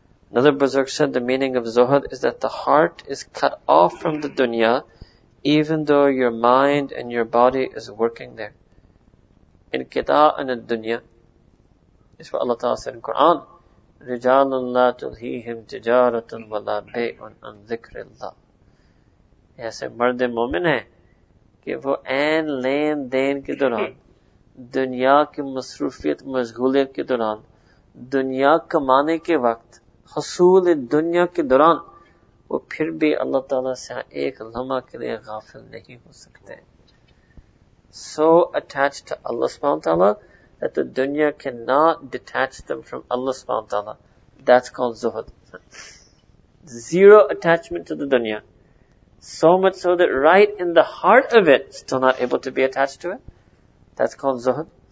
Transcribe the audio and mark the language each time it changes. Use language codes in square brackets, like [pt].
[en] Another buzzard said the meaning of zuhud is that the heart is cut off from the dunya, even though your mind and your body is working there. In kita'an al-dunya, is what Allah Ta'ala said in Quran, [ar] رِجَالٌ لَا تُلْهِيهِمْ تِجَارَةٌ وَلَا بَيْءٌ عَنْ ذِكْرِ اللَّهِ. [ur] ایسے مرد مومن ہیں کہ وہ این لین دین کے دوران دنیا کی مصروفیت مشغولیت کے دوران دنیا کمانے کے وقت حصول دنیا کے دوران وہ پھر بھی اللہ تعالیٰ سے ایک لمحہ کے لئے غافل نہیں ہو سکتے. [en] So attached to Allah سبحانہ وتعالیٰ that the dunya cannot detach them from Allah subhanahu wa ta'ala. That's called zuhud. Zero attachment to the dunya. So much so that right in the heart of it, still not able to be attached to it. That's called zuhud.